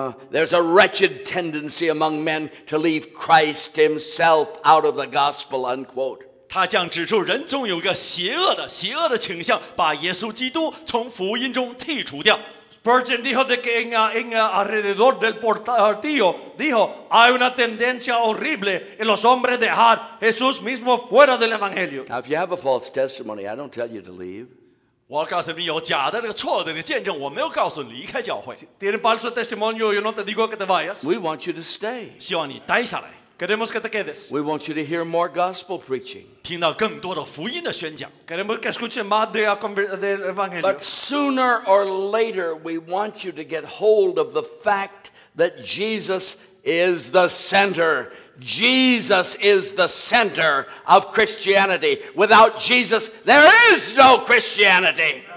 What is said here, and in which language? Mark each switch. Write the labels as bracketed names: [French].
[English] There's a wretched tendency among men to leave Christ Himself out of the gospel, unquote. [Chinese] 他这样指出，人总有一个邪恶的倾向，把耶稣基督从福音中剔除掉。 [Spanish] Spurgeon dijo de que en alrededor del portillo dijo hay una tendencia horrible en los hombres dejar Jesús mismo fuera del evangelio. [English] Now, if you have a false testimony, I don't tell you to leave. [Chinese] 我告诉你有假的这个错的这个见证，我没有告诉你离开教会。 [Spanish] Tienes falso testimonio, yo no te digo que te vayas. [English] We want you to stay. [Chinese] 希望你待下来。 [Spanish] Queremos que te quedes. [English] We want you to hear more gospel preaching. [Chinese] 听到更多的福音的宣讲。 [Spanish] Queremos que escuches más de evangelio. [English] But sooner or later, we want you to get hold of the fact that Jesus is the center. Jesus is the center of Christianity. Without Jesus, there is no Christianity.